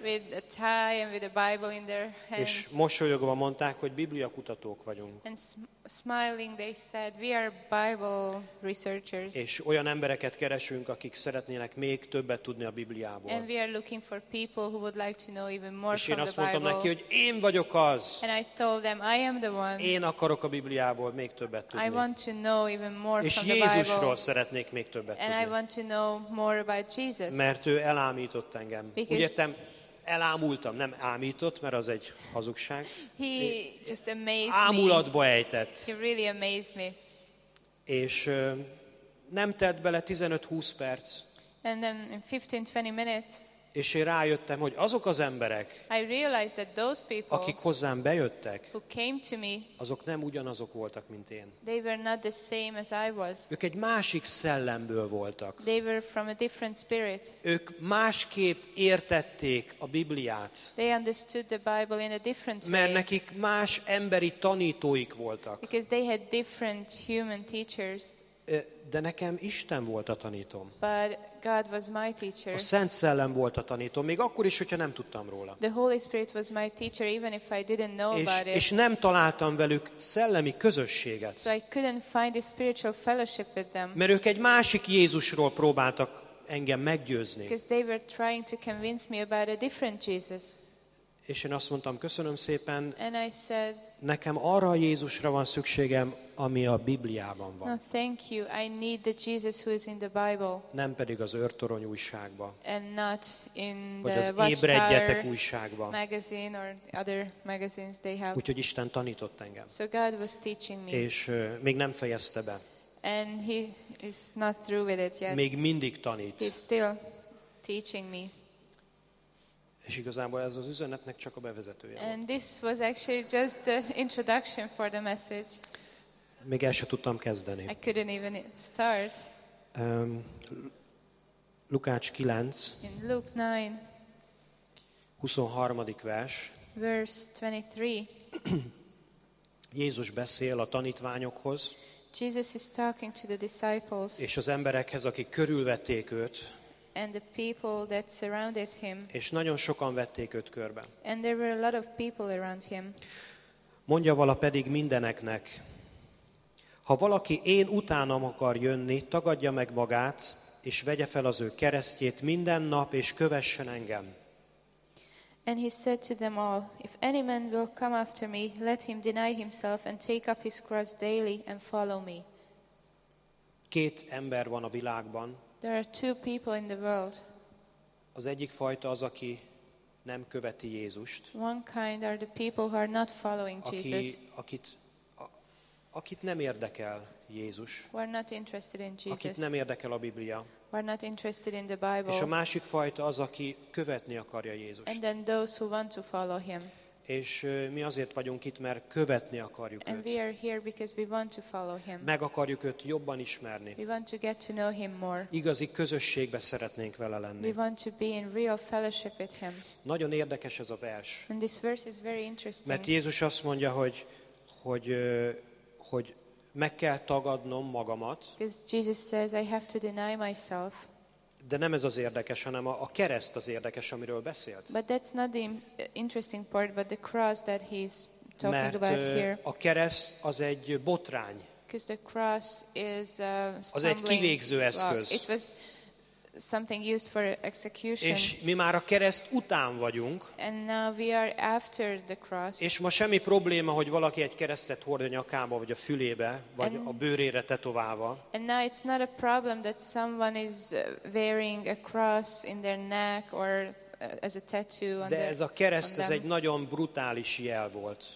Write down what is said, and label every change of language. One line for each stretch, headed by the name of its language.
English: with a tie and with a Bible in their hands.
Hungarian: És mosolyogva mondták, hogy Biblia kutatók vagyunk.
English: And smiling, they said, we are Bible researchers.
Hungarian: És olyan embereket keresünk, akik szeretnének még többet tudni a Bibliából.
English: And we are looking for people who would like to know even more from the Bible.
Hungarian: És én azt mondtam neki, hogy én vagyok az.
English: And I told them, I am the one.
Hungarian: Én akarok a Bibliából még többet tudni.
English: I want to know even more
Hungarian: és
English: from
Hungarian: Jézusról
English: the
Hungarian: szeretnék még többet
English: and
Hungarian: tudni.
English: I want to know more about Jesus.
Hungarian: Mert ő elámított engem.
English: Because
Hungarian: úgy értem, elámultam, nem ámított, mert az egy hazugság.
English: He just amazed me.
Hungarian: Ámulatba ejtett.
English: He really amazed me.
Hungarian: És nem tett bele 15-20 perc.
English: And then in 15-20 minutes.
Hungarian: És én rájöttem, hogy azok az emberek,
English: people,
Hungarian: akik hozzám bejöttek,
English: me,
Hungarian: azok nem ugyanazok voltak, mint én.
English: They were not the same as I was.
Hungarian: Ők egy másik szellemből voltak.
English: They were from a different spirit.
Hungarian: Ők másképp értették a Bibliát,
English: they understood the Bible in a different way,
Hungarian: mert nekik más emberi tanítóik voltak.
English: Because they had different human teachers.
Hungarian: De nekem Isten volt a tanítom.
English: But God was my teacher.
Hungarian: A Szent Szellem volt a tanítom, még akkor is, hogyha nem tudtam róla.
English: The Holy Spirit was my teacher, even if I didn't know
Hungarian: és,
English: about it.
Hungarian: És nem találtam velük szellemi közösséget.
English: So I couldn't find a spiritual fellowship with them.
Hungarian: Mert ők egy másik Jézusról próbáltak engem meggyőzni.
English: Because they were trying to convince me about a different Jesus.
Hungarian: És én azt mondtam, köszönöm szépen.
English: And I said,
Hungarian: nekem arra a Jézusra van szükségem, ami a Bibliában van.
English: No, thank you. I need the Jesus who is in the Bible.
Hungarian: Nem pedig az Őrtorony újságba.
English: And not in the Watchtower.
Hungarian: Vagy az Ébredjetek újságba.
English: Magazine or other magazines they have.
Hungarian: Úgyhogy Isten tanított engem.
English: So God was teaching me.
Hungarian: És még nem fejezte be.
English: And he is not through with it yet.
Hungarian: Még mindig tanít.
English: He's still teaching me.
Hungarian: És igazából ez az üzenetnek csak a bevezetője.
English: And this was actually just the introduction for the message.
Hungarian: Még el sem tudtam kezdeni.
English: I couldn't even start.
Hungarian: Lukács 9.
English: In Luke 9.
Hungarian: 23. vers.
English: Verse 23.
Hungarian: Jézus beszél a tanítványokhoz.
English: Jesus is talking to the disciples.
Hungarian: És az emberekhez, akik körülvették őt.
English: And the people that surrounded him.
Hungarian: És nagyon sokan vették őt körbe.
English: And there were a lot of people around him.
Hungarian: Mondja vala pedig mindeneknek. Ha valaki én utánam akar jönni, tagadja meg magát, és vegye fel az ő keresztjét minden nap, és kövessen engem.
English: And he said to them all, if any man will come after me, let him deny himself and take up his cross daily and follow me.
Hungarian: Két ember van a világban.
English: There are two people in the world.
Hungarian: Az egyik fajta az, aki nem követi Jézust.
English: One kind are the people who are not following Jesus.
Hungarian: Akit nem érdekel Jézus.
English: We're not interested in Jesus.
Hungarian: Akit nem érdekel a Biblia.
English: We're not interested in the Bible.
Hungarian: És a másik fajta az, aki követni akarja Jézust.
English: And then those who want to follow him.
Hungarian: És mi azért vagyunk itt, mert követni akarjuk
English: and
Hungarian: őt.
English: We are here because we want to follow him.
Hungarian: Meg akarjuk őt jobban ismerni.
English: We want to get to know him more.
Hungarian: Igazi közösségbe szeretnénk vele lenni.
English: We want to be in real fellowship with him.
Hungarian: Nagyon érdekes ez a vers.
English: And this verse is very interesting.
Hungarian: Mert Jézus azt mondja, hogy meg kell tagadnom magamat.
English: Because Jesus says I have to deny myself.
Hungarian: De nem ez az érdekes, hanem a kereszt az érdekes, amiről beszélt.
English: But that's not the interesting part, but the cross that he's talking
Hungarian: mert,
English: about here.
Hungarian: A kereszt az egy botrány.
English: Because the cross is a
Hungarian: az egy kivégző eszköz.
English: It was something used for execution.
Hungarian: És mi már a kereszt után vagyunk.
English: And now we are after the cross.
Hungarian: És ma semmi probléma, hogy valaki egy keresztet hord a nyakába, vagy a fülébe, vagy a bőrére tetoválva.
English: And now it's not a problem that someone is wearing a cross in their neck or as a tattoo on
Hungarian: de ez a kereszt, ez egy nagyon brutális jel volt.